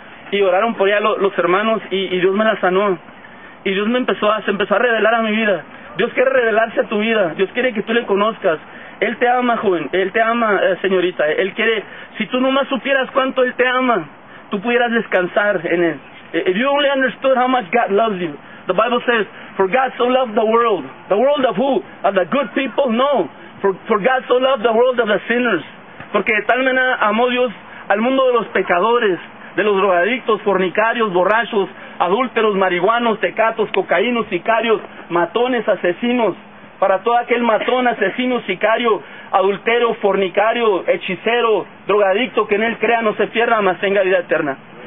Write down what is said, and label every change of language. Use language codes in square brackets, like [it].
[es] Y oraron por ella los hermanos y Dios me la sanó. Y Dios se empezó a revelar a mi vida. Dios quiere revelarse a tu vida. Dios quiere que tú le conozcas. Él te ama, joven. Él te ama, señorita. Él quiere... Si tú nomás supieras cuánto Él te ama, tú pudieras descansar en Él. [en] If you only understood how much God loves you. The Bible says, for God so loved the world. The world of who? Of the good people? No. For God so loved the world of the sinners. [es] Porque de tal manera amó Dios al mundo de los pecadores, de los drogadictos, fornicarios, borrachos, adúlteros, marihuanos, tecatos, cocaínos, sicarios, matones, asesinos. Para todo aquel matón, asesino, sicario, adultero, fornicario, hechicero, drogadicto, que en él crea, no se pierda, mas tenga vida eterna.